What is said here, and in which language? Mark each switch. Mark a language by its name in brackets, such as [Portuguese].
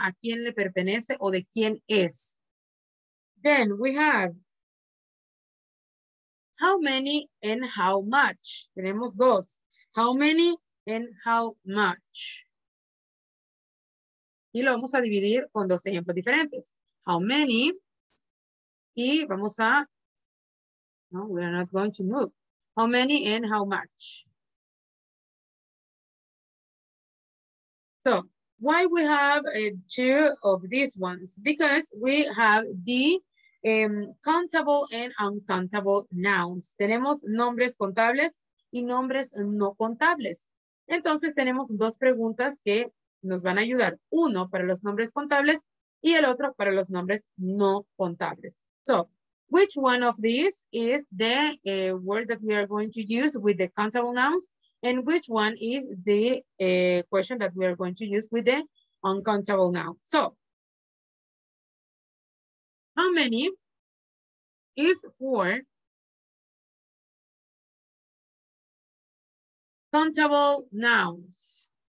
[Spanish] ¿A quién le pertenece o de quién es? [English] Then we have how many and how much. [Spanish] Tenemos dos. [English] How many and how much. [Spanish] Y lo vamos a dividir con dos ejemplos diferentes. [English] How many. [Spanish] Y vamos a, no, [English] we are not going to move. How many and how much. So, why we have two of these ones? Because we have the countable and uncountable nouns. [Spanish] Tenemos nombres contables y nombres no contables. Entonces, tenemos dos preguntas que nos van a ayudar. Uno para los nombres contables y el otro para los nombres no contables. [English] So, which one of these is the word that we are going to use with the countable nouns? And which one is the question that we are going to use with the uncountable noun? So, how many is for countable nouns?